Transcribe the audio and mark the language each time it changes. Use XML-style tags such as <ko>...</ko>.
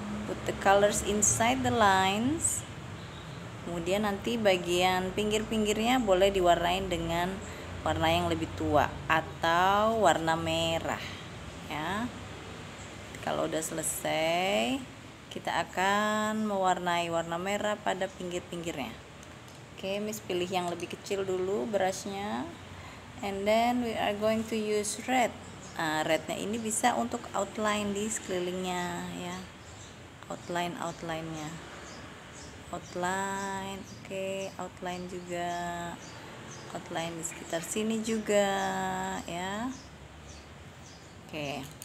<en>Put the colors inside the lines.</en> <id>Kemudian nanti bagian pinggir-pinggirnya boleh diwarnain dengan warna yang lebih tua atau warna merah ya. Kalau udah selesai, kita akan mewarnai warna merah pada pinggir-pinggirnya. Oke, Miss pilih yang lebih kecil dulu brushnya.</id> <en>And then we are going to use red.</en> <id>Rednya ini bisa untuk outline di sekelilingnya ya. Outline-outline-nya. Outline, oke, outline juga. Outline di sekitar sini juga ya. Oke.</id>